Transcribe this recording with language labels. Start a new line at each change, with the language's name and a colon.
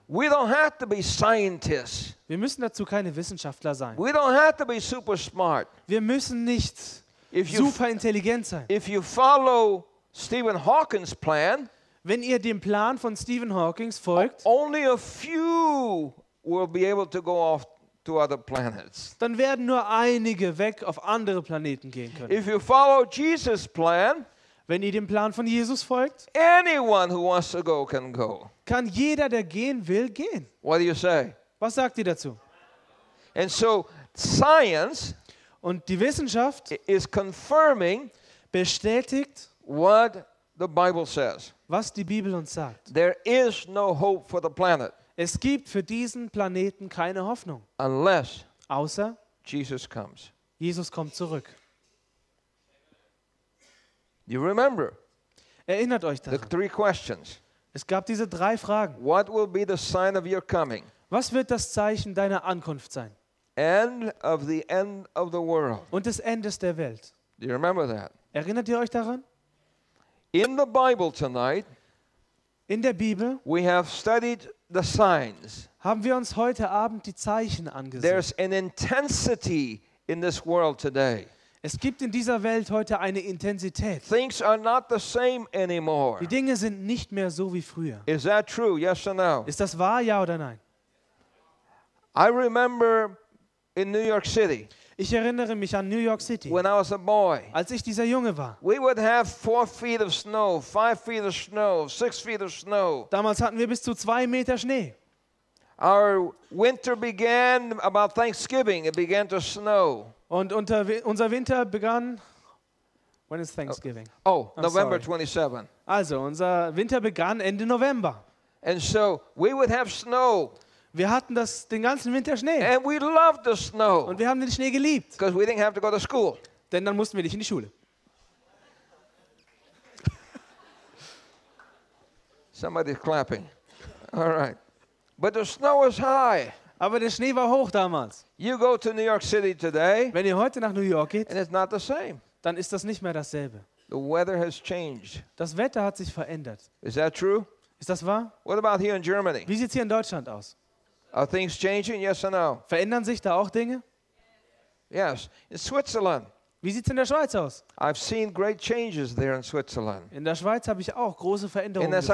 English: We don't have to be scientists.
German: Wir müssen dazu keine Wissenschaftler sein.
English: We don't have to be super smart.
German: Wir müssen nicht super intelligent sein.
English: If you follow Stephen Hawking's plan,
German: wenn ihr dem Plan von Stephen Hawking folgt,
English: only a few will be able to go off to other planets.
German: Dann werden nur einige weg auf andere Planeten gehen können.
English: If you follow Jesus' plan,
German: wenn ihr dem Plan von Jesus folgt,
English: anyone who wants to go can go.
German: Kann jeder, der gehen will, gehen.
English: What do you say?
German: Was sagt ihr dazu?
English: And so science.
German: Und die Wissenschaft
English: is confirming
German: bestätigt
English: what the Bible says.
German: Was die Bibel uns sagt.
English: There is no hope for the planet.
German: Es gibt für diesen Planeten keine Hoffnung.
English: Unless
German: außer
English: Jesus comes.
German: Jesus kommt zurück.
English: You remember?
German: Erinnert euch daran.
English: The three questions.
German: Es gab diese drei Fragen.
English: What will be the sign of your coming?
German: Was wird das Zeichen deiner Ankunft sein?
English: End of the end of the world.
German: Und des Endes der Welt.
English: Do you remember that?
German: Erinnert ihr euch daran?
English: In the Bible tonight,
German: in der Bibel,
English: we have studied the signs.
German: Haben wir uns heute Abend die Zeichen angesehen.
English: There's an intensity in this world today.
German: Es gibt in dieser Welt heute eine Intensität.
English: Things are not the same anymore.
German: Die Dinge sind nicht mehr so wie früher.
English: Is that true? Yes or no?
German: Ist das wahr, ja oder nein?
English: I remember in New York City.
German: Ich erinnere mich an New York City.
English: When I was a boy.
German: Als ich dieser Junge war.
English: We would have 4 feet of snow, 5 feet of snow, 6 feet of snow.
German: Damals hatten wir bis zu 2 Meter Schnee.
English: Our winter began about Thanksgiving. It began to snow.
German: Und unser Winter begann.
English: When is Thanksgiving? Oh, oh November 27.
German: Also unser Winter begann Ende November.
English: And so we would have snow.
German: Wir hatten das den ganzen Winter Schnee.
English: And we loved the snow.
German: Und wir haben den Schnee geliebt.
English: Because we didn't have to go to school.
German: Denn dann mussten wir nicht in die Schule.
English: Somebody's clapping. All right. But the snow was high.
German: Aber der Schnee war hoch damals.
English: You go to New York City today.
German: Wenn ihr heute nach New York geht,
English: and it's not the same.
German: Dann ist das nicht mehr dasselbe.
English: The weather has changed.
German: Das Wetter hat sich verändert.
English: Is that true?
German: Ist das wahr?
English: What about here in Germany?
German: Wie sieht's hier in Deutschland aus?
English: Are things changing? Yes or no?
German: Verändern sich da auch Dinge?
English: Yes. In Switzerland.
German: Wie sieht's in der Schweiz aus?
English: I've seen great changes there in Switzerland.
German: In der Schweiz habe ich auch große Veränderungen gesehen.